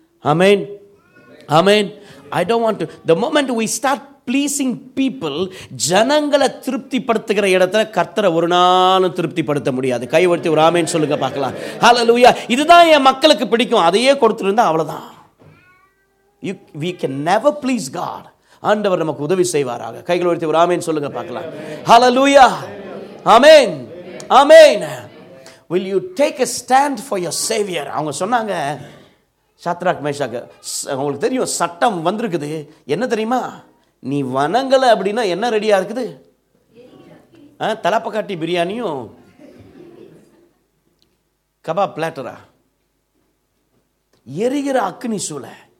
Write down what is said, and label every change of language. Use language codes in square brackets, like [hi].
[en] Amen, amen. I don't want to, the moment we start pleasing people, [ta] ஜனங்களை திருப்திப்படுத்துகிற இடத்துல கர்த்தரை ஒரு நாளும் திருப்திப்படுத்த முடியாது. கைவர்த்தி ஒரு ஆமேன் சொல்லுங்க பார்க்கலாம். ஹல்லேலூயா, இதுதான் என் மக்களுக்கு பிடிக்கும், அதையே கொடுத்துருந்தா அவ்வளோதான். [en] you we can never please God, [ta] ஆண்டவர் நமக்கு உதவி செய்வாராக. கைகள் உயர்த்தி ஒரு ஆமென் சொல்லுங்க பார்க்கலாம். ஹல்லேலூயா, ஆமென், ஆமென். [en] Will you take a stand for your savior? [ta] அவங்க சொன்னாங்க சத்ராக் மேஷாக்கு, உங்களுக்கு தெரியும் சட்டம் வந்திருக்குது, என்ன தெரியுமா, நீ வணங்கல அப்படின்னா என்ன ரெடியா இருக்குது, தலப்பக்காட்டி பிரியாணியும் கபாப் பிளாட்டரா, எரிகிற அக்னி சூளை.